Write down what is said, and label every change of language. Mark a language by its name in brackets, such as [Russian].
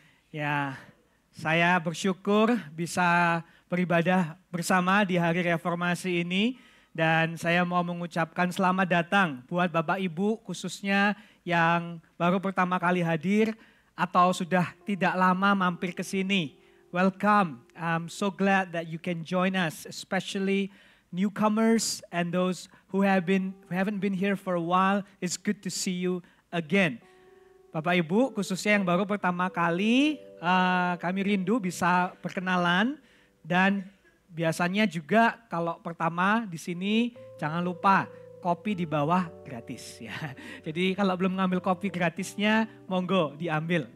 [Indonesian] Ya, saya bersyukur bisa beribadah bersama di hari reformasi ini. Dan saya mau mengucapkan selamat datang buat Bapak Ibu khususnya yang baru pertama kali hadir atau sudah tidak lama mampir ke sini. [English] Welcome. I'm so glad that you can join us, especially newcomers and those who have been who haven't been here for a while. It's good to see you again. [Indonesian] Bapak Ibu, khususnya yang baru pertama kali, kami rindu bisa perkenalan. Dan biasanya juga kalau pertama di sini, jangan lupa kopi di bawah gratis ya. Jadi kalau belum ngambil kopi gratisnya, monggo diambil.